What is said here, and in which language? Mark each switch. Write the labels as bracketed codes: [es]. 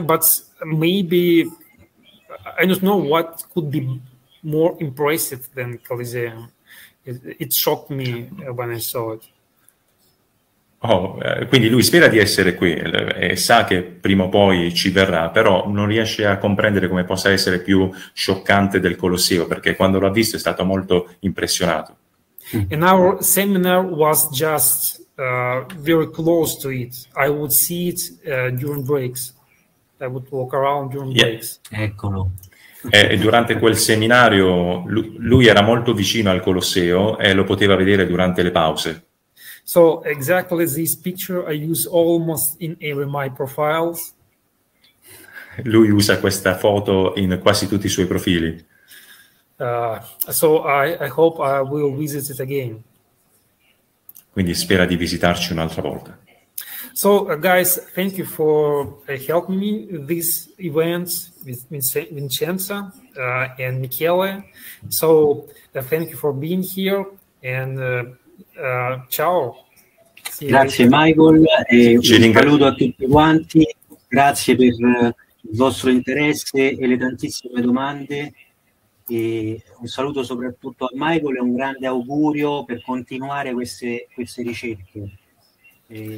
[en] But maybe I don't know what could be more impressive than Colosseum. It shocked me when I saw it. [it] Oh, quindi lui spera di essere qui e sa che prima o poi ci verrà, però non riesce a comprendere come possa essere più scioccante del Colosseo, perché quando l'ha visto è stato molto impressionato. [en] And our seminar was just very close to it. I would see it during breaks. I would walk around during breaks. [it] Eccolo. E durante quel seminario lui era molto vicino al Colosseo e lo poteva vedere durante le pause. [en] So exactly this picture I use almost in every my profiles. [it] Lui usa questa foto in quasi tutti i suoi profili. [en] So I hope I will visit it again. [it] Quindi spera di visitarci un'altra volta. [en] So guys, thank you for helping me with this event with Vincenzo and Michele. So thank you for being here and ciao. [it] Grazie Michael, e un saluto a tutti quanti, grazie per il vostro interesse e le tantissime domande, e un saluto soprattutto a Michael e un grande augurio per continuare queste ricerche. E...